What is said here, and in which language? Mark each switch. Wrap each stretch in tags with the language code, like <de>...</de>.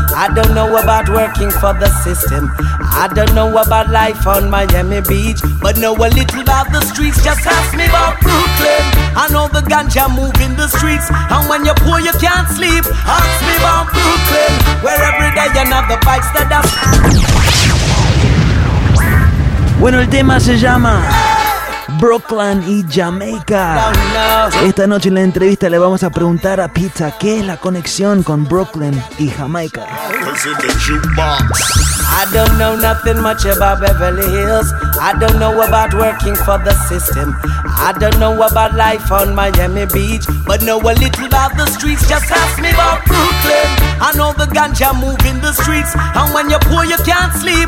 <en>I don't know about working for the system. I don't know about life on Miami Beach. But know a little about the streets. Just ask me about Brooklyn. I know the ganja move in the streets. And when you're poor, you can't sleep. Ask me about Brooklyn. Where every day you're not the bikes that are...</en> <es>Bueno, el tema se llama Brooklyn y Jamaica. Esta noche en la entrevista le vamos a preguntar a Pizza qué es la conexión con Brooklyn y Jamaica.</es> <en>I don't know nothing much about Beverly Hills. I don't know about working for the system. I don't know about life on Miami Beach. But know a little about the streets. Just ask me about Brooklyn. I know the ganja move in the streets. And when you're poor, you can't sleep.</en>